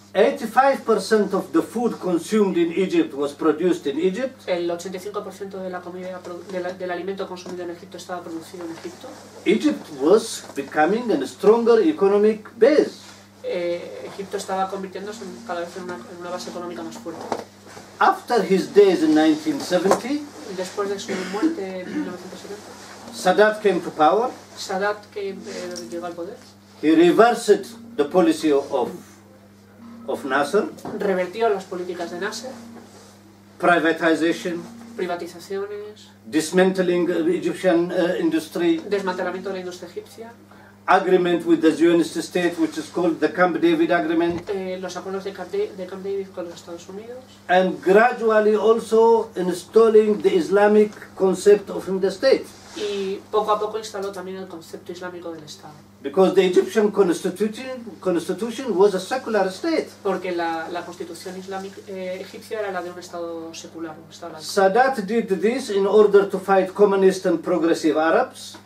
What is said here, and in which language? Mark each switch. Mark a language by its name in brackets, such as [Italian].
[English] 85% of the food consumed in Egypt was produced in Egypt. [Spanish] El 85% de la comida del alimento consumido en Egipto estaba producido en Egipto. [English] Egypt was becoming a stronger economic base. [Spanish] Egipto estaba convirtiéndose cada vez en una base económica más fuerte. [English] After his days in 1970, [Spanish] después de su muerte en 1970, [English] Sadat came to power. [Spanish] Sadat llegó al poder. [English] He reversed the policy of Nasser. [Spanish] Revertió las políticas de Nasser. [English] Privatization. [Spanish] Privatizaciones. [English] Dismantling of Egyptian industry. [Spanish] Desmantelamiento de la industria egipcia. [English] Agreement with the Zionist state, which is called the Camp David Agreement. [Spanish] Los acuerdos de Camp David con los Estados Unidos. [English] And gradually also installing the Islamic concept of the state. [Spanish] Y poco a poco instaló también el concepto islámico del Estado. [English] Because the Egyptian constitution was a secular state. [Spanish] Porque la constitución islámica egipcia era la de un Estado secular. Un Estado laico. [English] Sadat did this in order to fight communist and progressive Arabs.